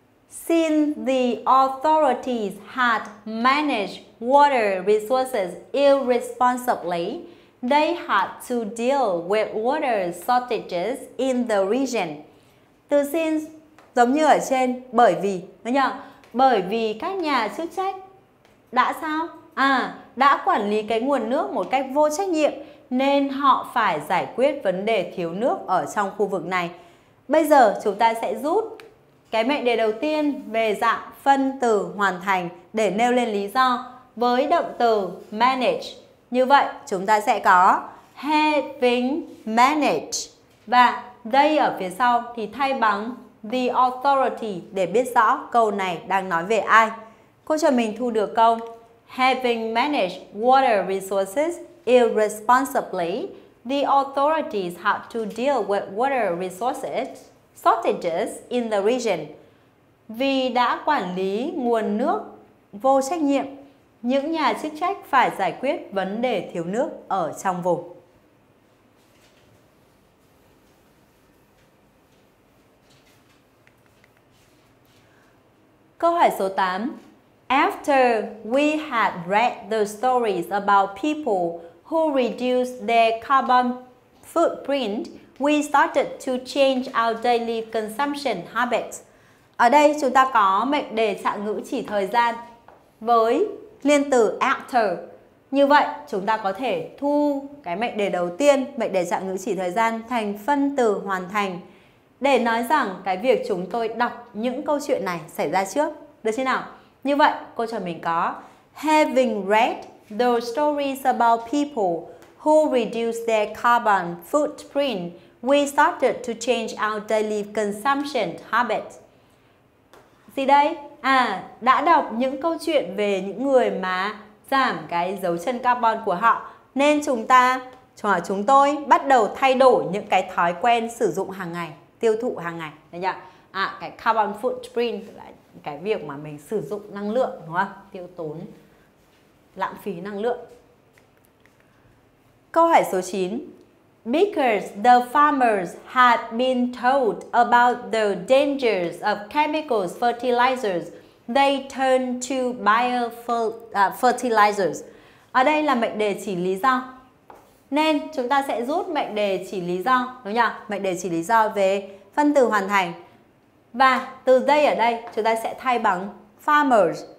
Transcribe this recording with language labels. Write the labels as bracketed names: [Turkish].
[English] Since the authorities had managed water resources irresponsibly, they had to deal with water shortages in the region. [Vietnamese] Từ since giống như ở trên, bởi vì, đúng không? Bởi vì các nhà chức trách đã sao? À, đã quản lý cái nguồn nước một cách vô trách nhiệm nên họ phải giải quyết vấn đề thiếu nước ở trong khu vực này. Bây giờ chúng ta sẽ rút cái mệnh đề đầu tiên về dạng phân từ hoàn thành để nêu lên lý do với động từ manage. Như vậy chúng ta sẽ có [English] having managed [Vietnamese] và they ở phía sau thì thay bằng the authority để biết rõ câu này đang nói về ai. Cô cho mình thu được câu [English] having managed water resources irresponsibly, the authorities have to deal with water resources shortages in the region. [Vietnamese] Vì đã quản lý nguồn nước vô trách nhiệm, những nhà chức trách phải giải quyết vấn đề thiếu nước ở trong vùng. Câu hỏi số 8. [English] After we had read the stories about people who reduce their carbon footprint, we started to change our daily consumption habits. [Vietnamese] Ở đây chúng ta có mệnh đề trạng ngữ chỉ thời gian với liên từ after. Như vậy, chúng ta có thể thu cái mệnh đề đầu tiên, mệnh đề trạng ngữ chỉ thời gian thành phân từ hoàn thành để nói rằng cái việc chúng tôi đọc những câu chuyện này xảy ra trước. Được chưa nào? Như vậy, câu trả lời mình có [English] Having read the stories about people who reduce their carbon footprint, we started to change our daily consumption habits. [Vietnamese] Gì đây? À, đã đọc những câu chuyện về những người mà giảm cái dấu chân carbon của họ, nên chúng tôi bắt đầu thay đổi những cái thói quen sử dụng hàng ngày, tiêu thụ hàng ngày. Đấy nhỉ? À, cái carbon footprint là cái việc mà mình sử dụng năng lượng, đúng không? Tiêu tốn, lãng phí năng lượng. Câu hỏi số 9. [English] Because the farmers had been told about the dangers of chemical fertilizers, they turned to biofertilizers. [Vietnamese] Ở đây là mệnh đề chỉ lý do. Nên chúng ta sẽ rút mệnh đề chỉ lý do, đúng không nhỉ? Mệnh đề chỉ lý do về phân từ hoàn thành. Và từ đây ở đây chúng ta sẽ thay bằng farmers.